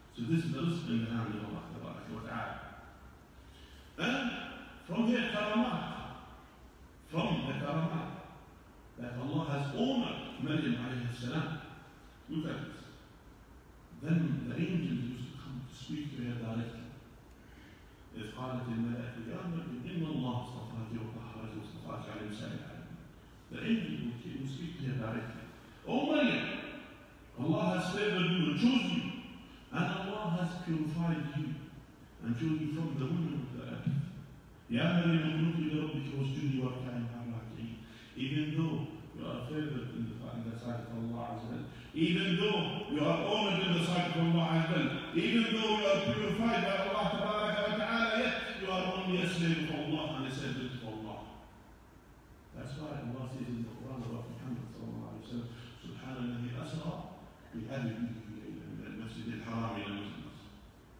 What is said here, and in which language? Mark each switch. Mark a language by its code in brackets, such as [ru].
[en] So this is the rizq in the hand of Allah Tabarak wa Ta'ala. And from their karamat, from the karamat that Allah has honored Maryam alayhi salam. Look at this. Then the angels used to come to speak to her directly. [ar] If قالت الملائكة يا مريم إن الله اصطفاك وطهرك واصطفاك على نساء العالمين. [en] The angels would speak to her directly. Oh Maryam, Allah has favored you and chosen you. And Allah has purified you and chosen you from the women of the earth. [ar] يا مريم اقنوت الى ربك واسجدي واركعي مع الراكعين. [en] Even though you are favored in the sight of Allah عز وجل, even though you are honored in the sight of Allah عز وجل, even though you are purified by Allah تبارك وتعالى, yet you are only a slave of Allah and a servant of Allah. That's why Allah says in the Quran about Muhammad sallallahu alayhi wa sallam, Subhanallah, [ar] asra bi ahlihi min al-masjid al-haram [en] ila al-masjid al-haram.